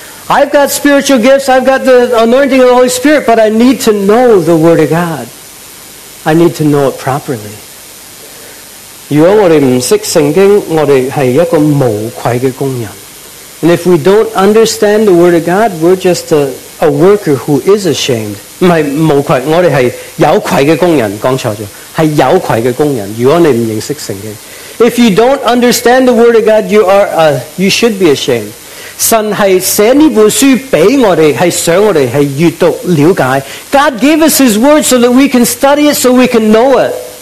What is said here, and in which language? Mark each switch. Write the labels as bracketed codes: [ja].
[en] I've got spiritual gifts, I've got the anointing of the Holy Spirit, but I need to know the word of God. I need to know it properly. [zh] 如果我们不识圣经，我们是一个无愧的工人。 [en] And if we don't understand the Word of God, we're just a worker who is ashamed. [zh] 不是无愧，我们是有愧的工人。刚才就是有愧的工人。如果你不认识圣经， [en] if you don't understand the Word of God, you should be ashamed. [zh] 神是写这本书给我们，是想我们是阅读了解。 [en] God gave us His Word so that we can study it, so we can know it.